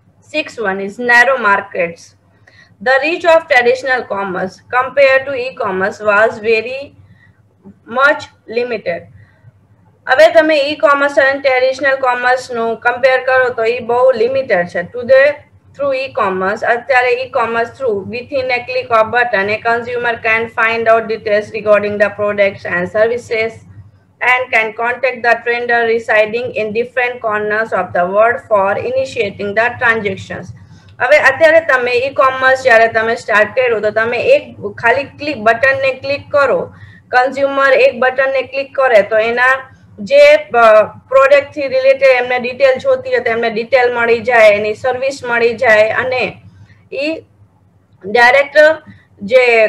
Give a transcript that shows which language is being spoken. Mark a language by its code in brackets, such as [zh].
[en] six one is narrow markets the reach of traditional commerce compare to e commerce was very much limited [gu] હવે તમે e commerce અને traditional કોમર્સનું compare કરો તો એ બહુ limited છે [en] to the through e-commerce, [gu] अत्यारे [en] e-commerce through within a click of button, a consumer can find out details regarding the products and services and can contact the trader residing in different corners of the world for initiating the transactions. [gu] હવે અત્યારે તમે e-commerce જ્યારે તમે start કરો તો તમે એક ખાલી ક્લિક બટન ને ક્લિક કરો, કન્ઝ્યુમર એક બટન ને ક્લિક કરે તો એના જે પ્રોડક્ટ થી રિલેટેડ એમને ડિટેલ જોતી હોય તો એમને ડિટેલ મળી જાય, એની સર્વિસ મળી જાય અને ઈ ડાયરેક્ટ જે